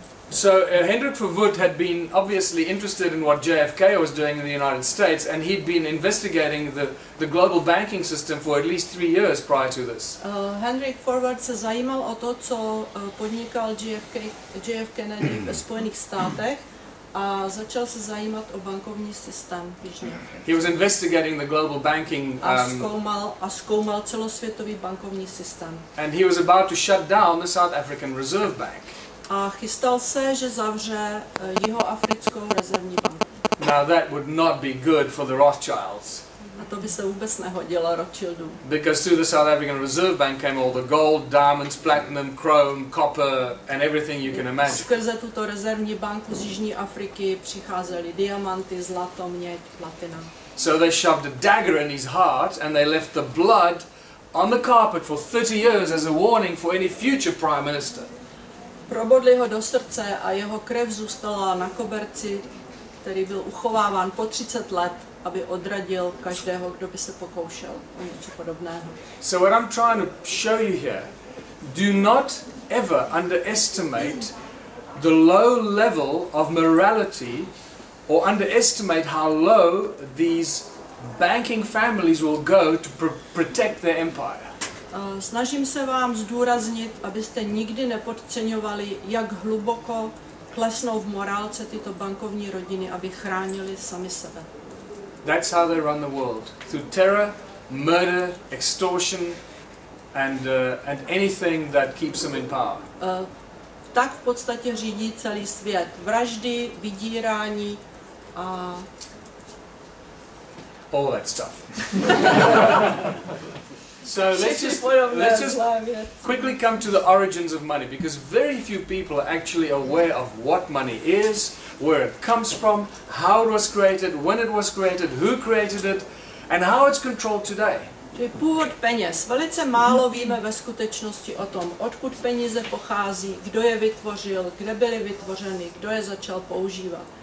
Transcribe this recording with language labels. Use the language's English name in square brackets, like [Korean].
[English] So Hendrik Verwoerd had been obviously interested in what JFK was doing in the United States, and he'd been investigating the global banking system for at least 3 years prior to this. [Czech] Hendrik Verwoerd se zajímal o to, co podnikal JFK ve Spojených státech, a začal se zajímat o bankovní systém v Jižní Africe. [English] He was investigating the global banking [Czech] a zkoumal celosvětový bankovní systém. [English] And he was about to shut down the South African Reserve Bank. [Czech] A chystal se, že zavře Jihoafrickou rezervní banku. [English] Now that would not be good for the Rothschilds. [Czech] A to by se vůbec nehodilo Rothschildům. [English] Because through the South African Reserve Bank came all the gold, diamonds, platinum, chrome, copper and everything you can imagine. [Czech] Skrze tuto rezervní banku z Jižní Afriky přicházely diamanty, zlato, měď, platina. [English] So they shoved a dagger in his heart and they left the blood on the carpet for 30 years as a warning for any future prime minister. [Czech] Probodli ho do srdce a jeho krev zůstala na koberci, který byl uchováván po 30 let, aby odradil každého, kdo by se pokoušel o něco podobného. [English] So what I'm trying to show you here, do not ever underestimate the low level of morality or underestimate how low these banking families will go to protect their empire. [Czech] Snažím se vám zdůraznit, abyste nikdy nepodceňovali, jak hluboko klesnou v morálce tyto bankovní rodiny, aby chránili sami sebe. [English] That's how they run the world, through terror, murder, extortion and anything that keeps them in power. [Czech] Tak v podstatě řídí celý svět. Vraždy, vydírání a [English] all that stuff. So let's just quickly come to the origins of money, because very few people are actually aware of what money is, where it comes from, how it was created, when it was created, who created it, and how it's controlled today. [Czech] Původ peněz. Velice málo víme ve skutečnosti o tom, odkud peníze pochází, kdo je vytvořil, kde byly vytvořeny, kdo je začal používat.